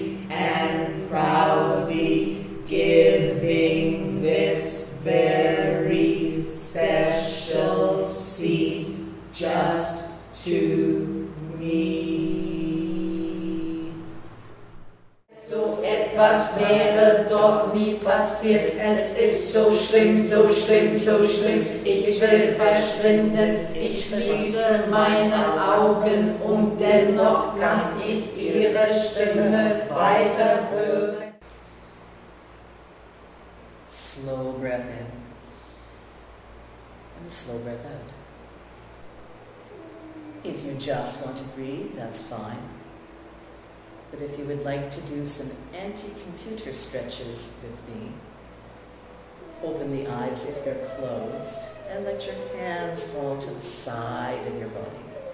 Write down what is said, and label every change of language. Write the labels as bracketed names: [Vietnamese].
[English] and proudly giving this very special seat just to me. [German] So etwas wäre doch nie passiert. Es ist so schlimm, so schlimm, so schlimm. Ich will verschwinden. Ich schließe meine Augen und dennoch kann ich ihre Stimme weiter hören. [English] Slow breath in and a slow breath out. If you just want to breathe, that's fine. But if you would like to do some anti-computer stretches with me, open the eyes if they're closed and let your hands fall to the side of your body.